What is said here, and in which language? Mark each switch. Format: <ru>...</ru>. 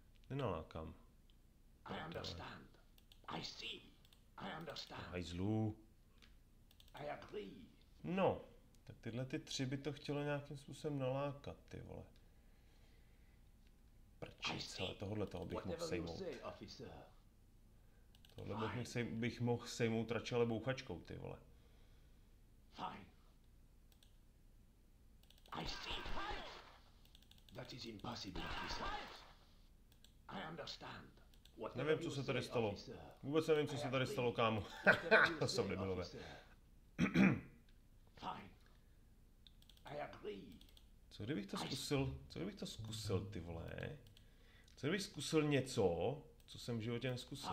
<cs>Nenalákám.</cs> <en>I understand. I see. I understand. Aj zlu. I agree.</en> <cs>No, tak tyhle ty tři by to chtělo nějakým způsobem nalákat, ty vole. Prčic, ale tohle toho bych mohl sejmout.</cs> <en>Whatever you say, officer.</en> <cs>Tohle bych mohl sejmout radši ale bouchačkou, ty vole.</cs> <en>Fine. I see. That is impossible, officer. I understand.</en> <cs>Nevím, co se tady stalo. Vůbec nevím, co se tady stalo, kámo. To jsou debilové.</cs> <en>Fine. I agree.</en> <cs>Co kdybych to zkusil, ty vole? Co kdybych zkusil něco, co jsem v životě neskusil?</cs>